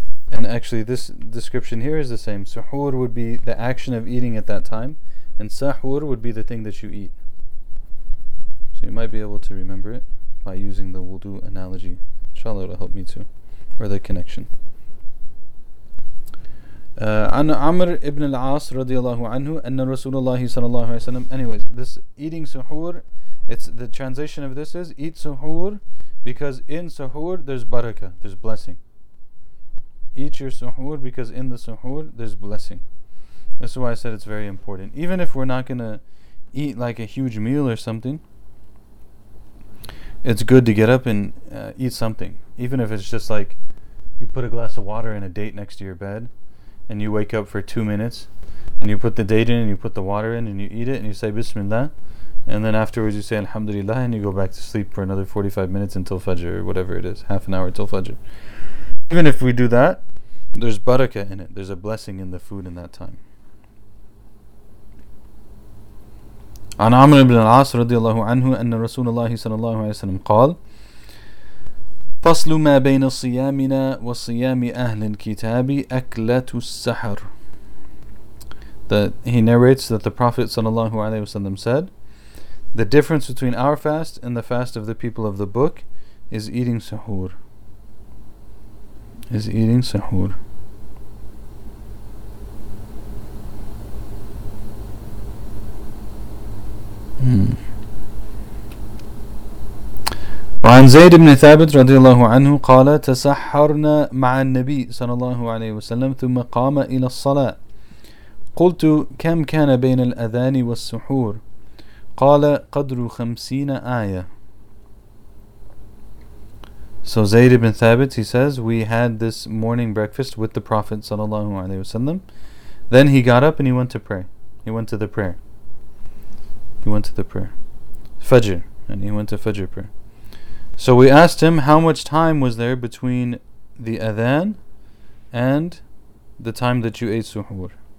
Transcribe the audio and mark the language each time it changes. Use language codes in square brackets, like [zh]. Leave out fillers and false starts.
[en] And actually, this description here is the same. Suhoor would be the action of eating at that time, and sahur would be the thing that you eat. So you might be able to remember it. by using the wudu analogy. Inshallah, it'll help me too, or the connection. [ar] عن عمر ابن العاص رضي الله عنه أن رسول الله صلى الله عليه وسلم. [en] Anyways, this eating suhoor, it's the translation of this is eat suhoor because in suhoor there's barakah, there's blessing. Eat your suhoor because in the suhoor there's blessing. This is why I said it's very important. Even if we're not gonna eat like a huge meal or something, it's good to get up and eat something. Even if it's just like you put a glass of water and a date next to your bed, and you wake up for 2 minutes, and you put the date in, and you put the water in, and you eat it, and you say Bismillah, and then afterwards you say Alhamdulillah, and you go back to sleep for another 45 minutes until Fajr, or whatever it is, half an hour until Fajr. Even if we do that, there's barakah in it. There's a blessing in the food in that time. [ar] عن عمر بن العاص رضي الله عنه أن رسول الله صلى الله عليه وسلم قال فصل ما بين صيامنا وصيام أهل الكتاب أكلة السحر. [en] He narrates that the Prophet [ar] صلى الله عليه وسلم [en] said, the difference between our fast and the fast of the people of the book is eating suhoor. Is eating suhoor. [ar] وعن زيد بن ثابت رضي الله عنه قال تسحرنا مع النبي صلى الله عليه وسلم ثم قام إلى الصلاة قلت كم كان بين الأذان والسحور قال قدر 50 آية. [en] So Zayd ibn Thabit, he says, we had this morning breakfast with the Prophet [ar] صلى الله عليه وسلم. [en] Then he got up and he went to pray. He went to the prayer. He went to the prayer. Fajr. And he went to Fajr prayer. So we asked him, how much time was there between the adhan and the time that you ate suhoor?